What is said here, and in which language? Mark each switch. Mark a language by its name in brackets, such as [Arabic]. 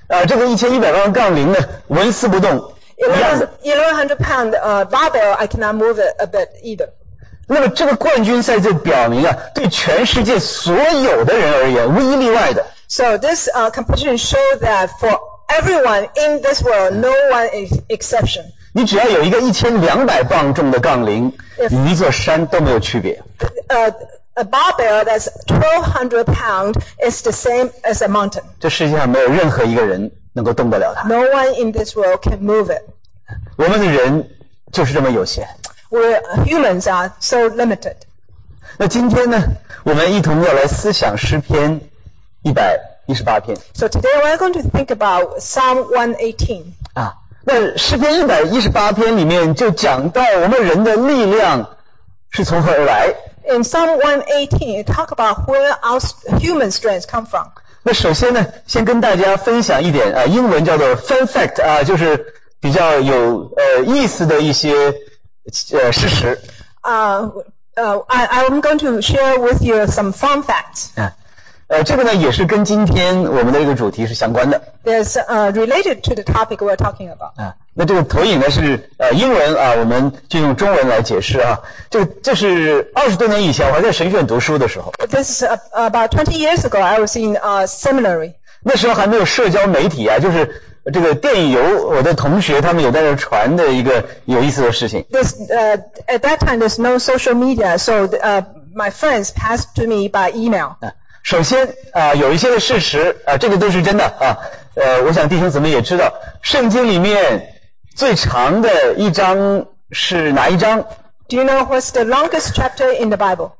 [Chinese] 这个1100磅杠铃呢，纹丝不动。 [English] 1100 pound barbell, I cannot move it a bit either. [Chinese] 那么这个冠军赛就表明啊，对全世界所有的人而言，无一例外的。 [English] So this competition shows that for everyone in this world, no one is exception. [Chinese] 你只要有一个1200磅重的杠铃，与一座山都没有区别。 [English] A barbell that's 1200 pound is the same as a mountain. [Chinese] 这世界上没有任何一个人能够动得了它。 [English] No one in this world can move it. [Chinese] 我们的人就是这么有限。 [English] We humans are so limited. [Chinese] 那今天呢，我们一同要来思想诗篇118篇。 [English] So today we're going to think about Psalm 118. [Chinese] 啊，那诗篇118篇里面就讲到我们人的力量是从何而来。 [English] In Psalm 118, it talks about where our human strength come from. [Chinese] 那首先呢，先跟大家分享一点，英文叫做 fun fact, 就是比较有意思的一些事实。 [English] I'm going to share with you some fun facts. [Chinese] 这个呢也是跟今天我们的这个主题是相关的。 [English] It's related to the topic we're talking about. [Chinese] 那这个投影呢是英文啊，我们就用中文来解释啊。这是20多年以前我还在神学院读书的时候。 [English] This is about 20 years ago. I was in a seminary. [Chinese] 那时候还没有社交媒体啊，就是这个电邮，我的同学他们有在这传的一个有意思的事情。 [English] This at that time there's no social media, so my friends passed to me by email. [Chinese] 首先有一些的事实这个都是真的啊。我想弟兄姊妹也知道，圣经里面最长的一章是哪一章？ [English] Do you know what's the longest chapter in the Bible?